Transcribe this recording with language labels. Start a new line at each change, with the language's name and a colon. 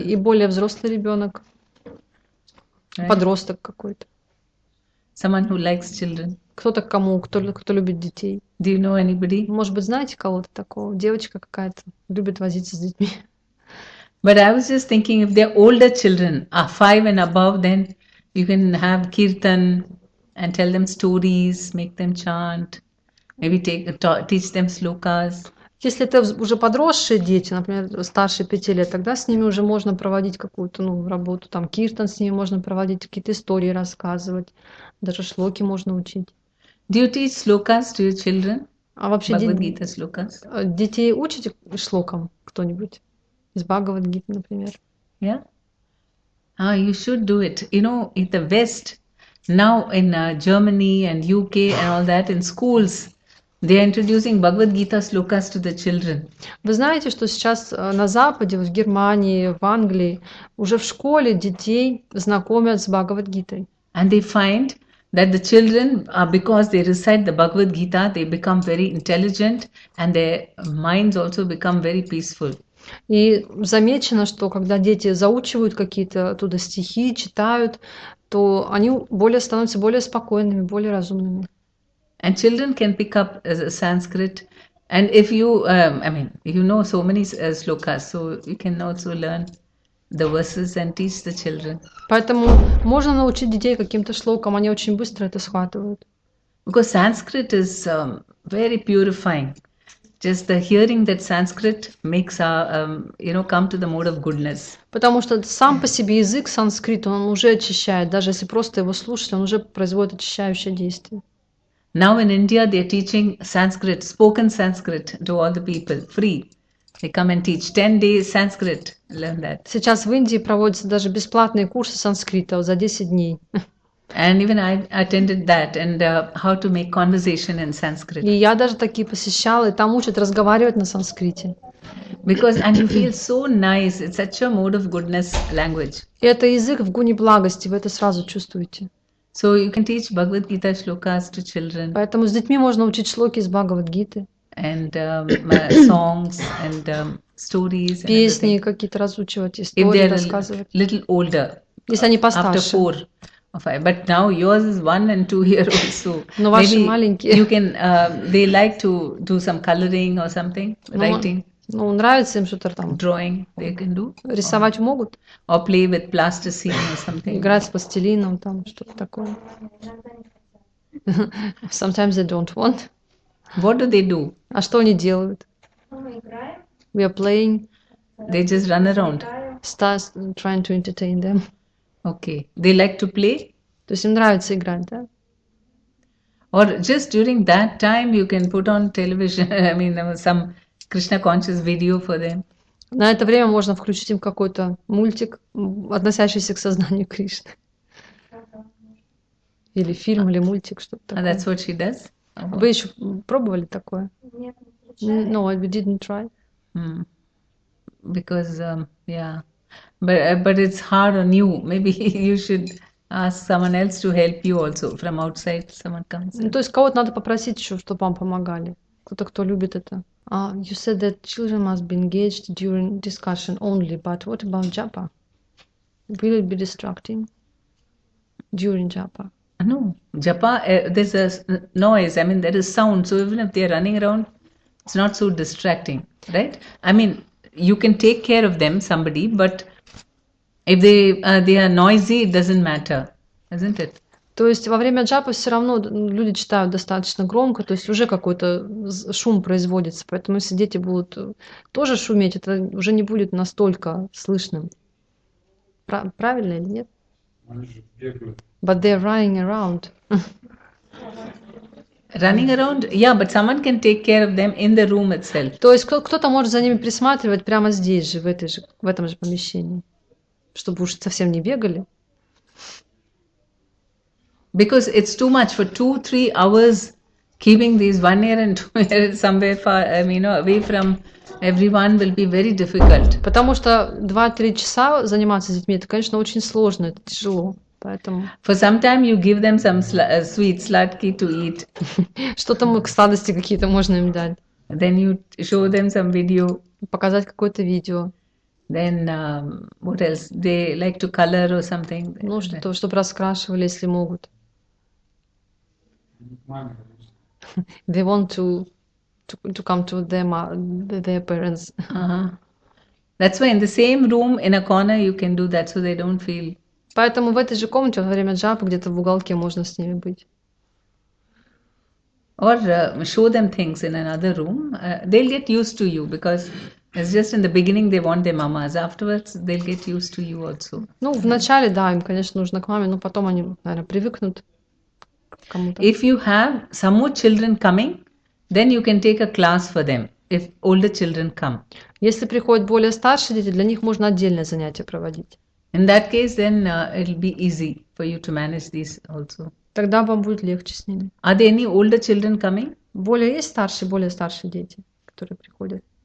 Russian: и более взрослый ребенок,
English: Right.
Russian: подросток какой-то.
English: Someone who likes children.
Russian: Кто-то кому, кто любит детей.
English: Do you know anybody?
Russian: Может быть, знаете кого-то такого? Девочка какая-то любит возиться с детьми.
English: But I was just thinking, if they're older children, are 5 and above, then you can have kirtan and tell them stories, make them chant, maybe teach them slokas.
Russian: Если это уже подросшие дети, например, старше 5 лет, тогда с ними уже можно проводить какую-то ну, работу, там киртан с ними можно проводить, какие-то истории рассказывать, даже шлоки можно учить.
English: Do you teach slokas to your children?
Russian: А вообще Бхагавад-гита слокас? Детей учите шлокам кто-нибудь? Из Бхагавад-гиты, например.
English: Yeah? Ah, you should do it. You know, in the West, now in Germany and UK and all that, in schools, they are introducing Bhagavad-gita slokas to the children.
Russian: Вы знаете, что сейчас на Западе, в Германии, в Англии, уже в школе детей знакомят с Бхагавад-гитой?
English: And they find that the children, because they recite the Bhagavad-gita, they become very intelligent and their minds also become very peaceful.
Russian: И замечено, что когда дети заучивают какие-то оттуда стихи, читают, то они более становятся более спокойными, более разумными.
English: And children can pick up Sanskrit. And if you, I mean, you know so many slokas, so you can also learn the verses and teach the children.
Russian: Поэтому можно научить детей каким-то шлокам, они очень быстро это схватывают.
English: Because Sanskrit is very purifying. Just the hearing that Sanskrit makes our, you know, come to the mode of goodness.
Russian: Потому что сам по себе язык санскрит, он уже очищает. Даже если просто его слушать, он уже производит очищающее действие.
English: Now in India they are teaching Sanskrit, spoken Sanskrit, to all the people free. They come and teach 10 days Sanskrit. Learn that.
Russian: Сейчас в Индии проводятся даже бесплатные курсы санскрита за 10 дней.
English: And even I attended that and how to make conversation in Sanskrit.
Russian: И я даже такие посещала, и там учат разговаривать на санскрите.
English: Because and you feel so nice. It's such a mode of goodness language.
Russian: И это язык в гуне благости, вы это сразу чувствуете.
English: So you can teach Bhagavad Gita shlokas to children.
Russian: Поэтому с детьми можно учить шлоки из Бхагавад Гиты.
English: And songs and stories.
Russian: Песни какие-то разучивать, истории
English: If they're
Russian: рассказывать.
English: A little older.
Russian: Если они постарше.
English: After 4. But now yours is 1 and 2 years old, so
Russian: Но
English: maybe
Russian: маленькие.
English: You can. They like to do some coloring or something, writing.
Russian: Ну, нравится им что-то там.
English: Drawing they can do.
Russian: Рисовать могут.
English: Or play with plasticine or something.
Russian: Играть с пластилином там что-то такое.
English: Sometimes they don't want. What do they do?
Russian: А что они делают?
English: We are playing. They just run around. Stars trying to entertain them. Okay, they like to play.
Russian: То есть им нравится играть, да?
English: Or just during that time you can put on television. I mean, some Krishna conscious video for them.
Russian: На это время можно включить им какой-то мультик, относящийся к сознанию Кришны. Или фильм, или мультик что-то такое.
English: And that's what she does. Uh-huh.
Russian: Вы еще пробовали такое? Нет, не включали.
English: No, we didn't try. Mm. Because, yeah. But it's hard on you. Maybe you should ask someone else to help you also from outside. Someone comes. То есть кого-то надо попросить еще, чтобы вам помогали. Кто-то, кто любит это. You said that children must be engaged during discussion only. But what about japa? Will it be distracting during japa? No, japa. There's a noise. I mean, there is sound. So even if they are running around, it's not so distracting, right? I mean, you can take care of them, somebody, but if they are noisy, it doesn't matter, isn't it?
Russian: То есть во время джапы все равно люди читают достаточно громко, то есть уже какой-то шум производится, поэтому если дети будут тоже шуметь, это уже не будет настолько слышным. Правильно или нет?
English: But they're running around. Running around, yeah, but someone can take care of them in the room itself.
Russian: То есть кто-то может за ними присматривать прямо здесь же, в этом же помещении. Чтобы уж совсем не бегали.
English: Because it's too much for 2-3 hours keeping these 1 year and 2 year somewhere far, I mean, away from everyone will be very difficult.
Russian: Потому что 2-3 часа заниматься с детьми, это, конечно, очень сложно, это тяжело. Поэтому...
English: For some time you give them some sweet sladky to eat.
Russian: Что-то мы к сладости какие-то можно им дать.
English: Then you show them some video.
Russian: Показать какое-то видео.
English: Then what else? They like to color or something.
Russian: Ну, что-то, чтобы раскрашивали, если могут.
English: They want to come to their parents. That's why in the same room, in a corner, you can do that, so they don't feel.
Russian: Поэтому в этой же комнате во время джапы где-то в уголке можно с ними быть.
English: Or show them things in another room. They'll get used to you because it's just in the beginning they want their mamas. Afterwards, they'll get used to you also.
Russian: Ну, вначале, да, им, конечно, нужно к маме, но потом они, наверное, привыкнут. Кому-то.
English: If you have some more children coming, then you can take a class for them. If older children come.
Russian: Если приходят более старшие дети, для них можно отдельное занятие проводить.
English: In that case, then it'll be easy for you to manage this also.
Russian: Тогда вам будет легче с ними.
English: Are there any older children coming?
Russian: Более есть старшие, более старшие дети, которые приходят.